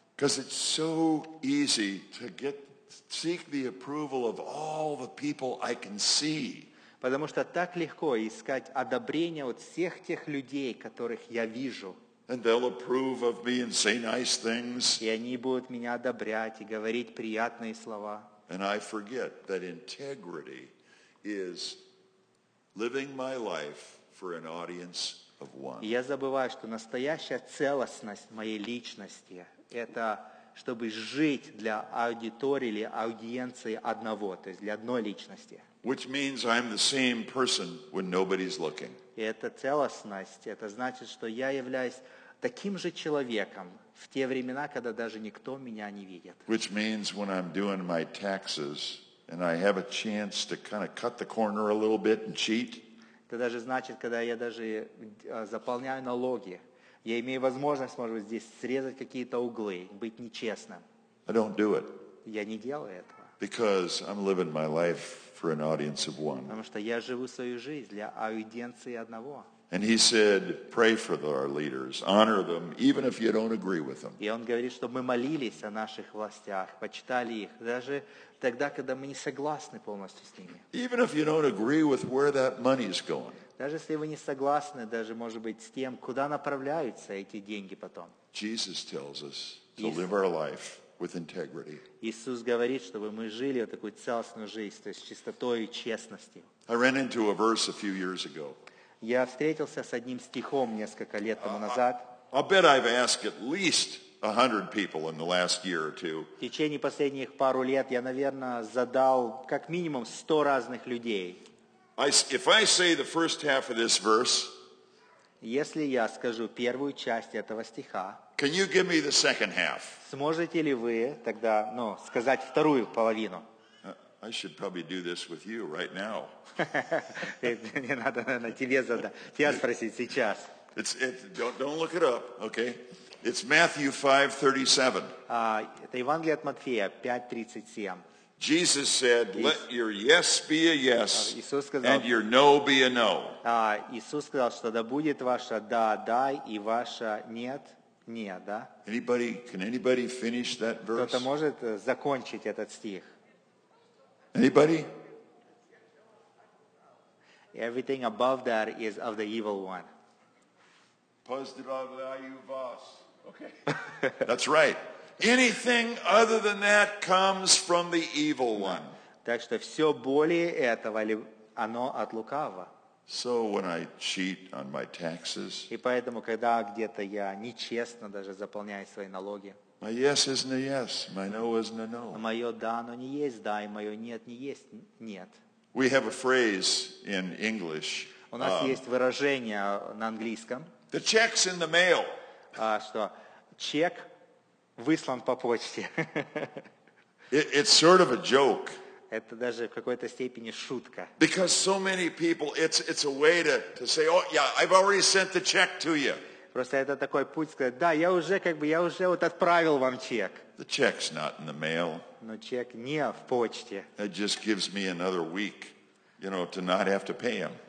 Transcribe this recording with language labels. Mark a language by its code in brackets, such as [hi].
[en] Because it's so easy to seek the approval of all the people I can see. [ru] Потому что так легко искать одобрение от всех тех людей, которых я вижу. [en] And they'll approve of me and say nice things. [ru] И они будут меня одобрять и говорить приятные слова. [en] And I forget that integrity is living my life for an audience of one. [ru] Я забываю, что настоящая целостность моей личности – это чтобы жить для аудитории или аудиенции одного, то есть для одной личности. [en] Which means I'm the same person when nobody's looking. [ru] И эта целостность – это значит, что я являюсь таким же человеком, в те времена, когда даже никто меня не видит. [en] Which means when I'm doing my taxes and I have a chance to kind of cut the corner a little bit and cheat. [ru] Это даже значит, когда я даже заполняю налоги, я имею возможность, может быть, здесь срезать какие-то углы, быть нечестным. [en] I don't do it. [ru] Я не делаю этого. [en] Because I'm living my life for an audience of one. [ru] Потому что я живу свою жизнь для аудиенции одного. [en] And he said, pray for our leaders, honor them, even if you don't agree with them. [ru] И он говорит, чтобы мы молились о наших властях, почитали их, даже тогда, когда мы не согласны полностью с ними. [en] Even if you don't agree with where that money is going. [ru] Даже если вы не согласны, даже, может быть, с тем, куда направляются эти деньги потом. [en] Jesus tells us to live our life with integrity. [ru] Иисус говорит, чтобы мы жили вот такую целостную жизнь, то есть с чистотой и честностью. [en] I ran into a verse a few years ago. [ru] Я встретился с одним стихом несколько лет тому назад. [en] I'll bet I've asked at least 100 people in the last year or two. [ru] В течение последних пару лет я, наверное, задал как минимум 100 разных людей. [en] If I say the first half of this verse, [ru] если я скажу первую часть этого стиха, [en] can you give me the second half? [ru] Сможете ли вы тогда, ну, сказать вторую половину? [en] I should probably do this with you right now. [ru] Мне надо на тебе задать. Тебя спросить сейчас. [en] Don't look it up, okay? It's Matthew 5:37. [ru] Это Евангелие от Матфея 5:37. [en] Jesus said, "Let your yes be a yes, [ru] сказал, [en] and your no be a no." [ru] Иисус сказал, что да будет ваше да, да, и ваше нет, нет, да. [en] Can anybody finish that verse? [ru] Кто-то может закончить этот стих? [en] Anybody? Everything above that is of the evil one. Okay. That's right. Anything other than that comes from the evil one. [ru] Так что все более этого, оно от лукавого. [en] So when I cheat on my taxes, [ru] и поэтому, когда где-то я нечестно даже заполняю свои налоги, [en] my yes isn't a yes, my no isn't a no. [ru] Мое да, оно не есть да, и мое нет, не есть нет. [en] We have a phrase in English. [ru] У нас есть выражение на английском. [en] The check's in the mail. [ru] Что чек выслан по почте. [en] It's sort of a joke. [ru] Это даже в какой-то степени шутка. [en] Because so many people, it's a way to say, oh yeah, I've already sent the check to you. [ru] Просто это такой путь сказать, да, я уже как бы, я уже вот отправил вам чек. [en] The check's not in the mail. [ru] Но чек не в почте. [en] It just gives me another week, you know, to not have to pay him.